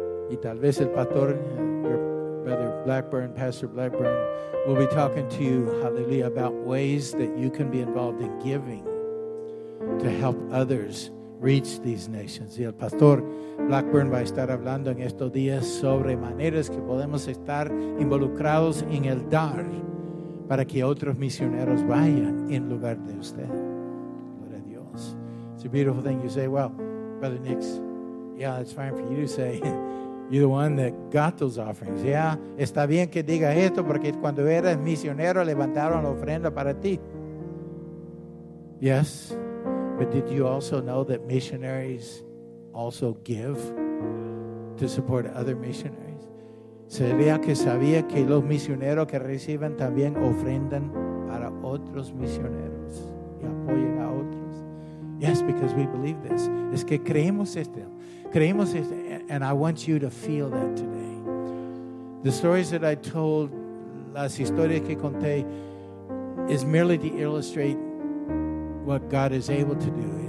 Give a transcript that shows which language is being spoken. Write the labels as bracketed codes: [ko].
[es] Y tal vez el pastor, [en] your brother Blackburn, Pastor Blackburn, will be talking to you, hallelujah, about ways that you can be involved in giving to help others reach these nations. [es] Y el pastor Blackburn va a estar hablando en estos días sobre maneras que podemos estar involucrados en el dar para que otros misioneros vayan en lugar de usted. Gloria a Dios. [en] It's a beautiful thing. You say, well, Brother Nix, yeah, it's fine for you to say. You're the one that got those offerings. [es] Yeah, está bien que diga esto porque cuando eras misionero levantaron la ofrenda para ti. [en] Yes, but did you also know that missionaries also give to support other missionaries? [es] ¿Sería que sabía que los misioneros que reciben también ofrendan para otros misioneros y apoyan a otros? [en] Yes, because we believe this. [es] Es que creemos esto. Creemos esto, [en] and I want you to feel that today. The stories that I told, [es] las historias que conté, [en] is merely to illustrate what God is able to do.